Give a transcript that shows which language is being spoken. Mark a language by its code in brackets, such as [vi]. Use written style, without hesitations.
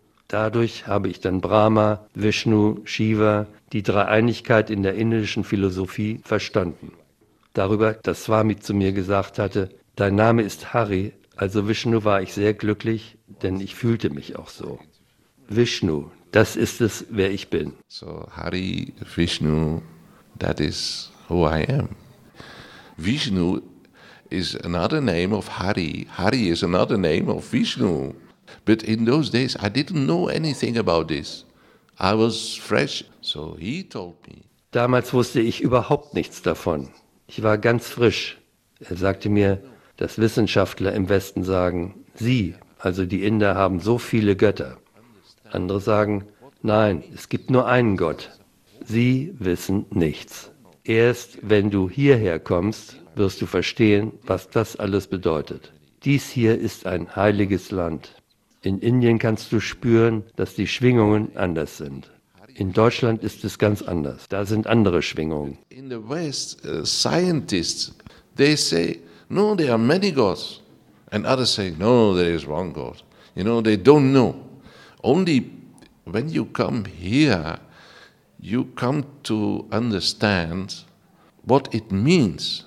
[de] Dadurch habe ich dann Brahma, Vishnu, Shiva, die Dreieinigkeit in der indischen Philosophie verstanden. Darüber, dass Swami zu mir gesagt hatte, dein Name ist Hari, also Vishnu, war ich sehr glücklich, denn ich fühlte mich auch so. Vishnu, das ist es, wer ich bin. [en] So Hari, Vishnu, that is who I am. Vishnu is another name of Hari. Hari is another name of Vishnu. But in those days I didn't know anything about this. I was fresh, so he told me. [de] Damals wusste ich überhaupt nichts davon. Ich war ganz frisch. Er sagte mir, dass Wissenschaftler im Westen sagen, sie, also die Inder, haben so viele Götter. Andere sagen, nein, es gibt nur einen Gott. Sie wissen nichts. Erst wenn du hierher kommst, wirst du verstehen, was das alles bedeutet. Dies hier ist ein heiliges Land. In Indien kannst du spüren, dass die Schwingungen anders sind. In Deutschland ist es ganz anders. Da sind andere Schwingungen. [en] In the West, scientists, they say, no, there are many gods. And others say, no, there is one God. You know, they don't know. Only when you come here, you come to understand what it means.